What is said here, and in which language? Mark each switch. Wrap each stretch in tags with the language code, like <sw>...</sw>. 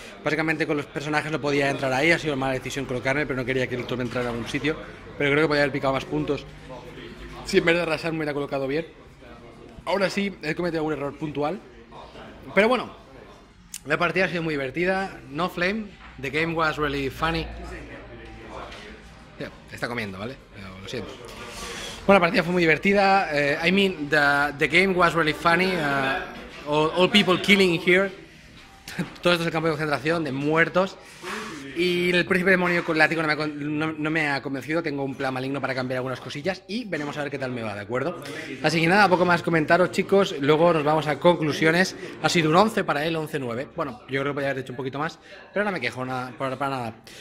<es>Básicamente con los personajes no podía entrar ahí, ha sido una mala decisión colocarme, pero no quería que el otro me entrara a algún sitio. Pero creo que podía haber picado más puntos. Si en vez de arrasar me hubiera colocado bien. Ahora sí, he cometido algún error puntual. Pero bueno, la partida ha sido muy divertida.</es> <en>No flame, the game was really funny.</en> <es>Está comiendo, ¿vale? Lo siento. Bueno, la partida fue muy divertida.</es> <en>I mean, the game was really funny. All people killing here.</en> <es>Todo esto es el campo de concentración de muertos. Y el príncipe demonio con látigo no me ha convencido. Tengo un plan maligno para cambiar algunas cosillas y veremos a ver qué tal me va, ¿de acuerdo? Así que nada, poco más comentaros, chicos. Luego nos vamos a conclusiones. Ha sido un 11 para él, 11-9. Bueno, yo creo que podría haber hecho un poquito más, pero no me quejo para nada.</es>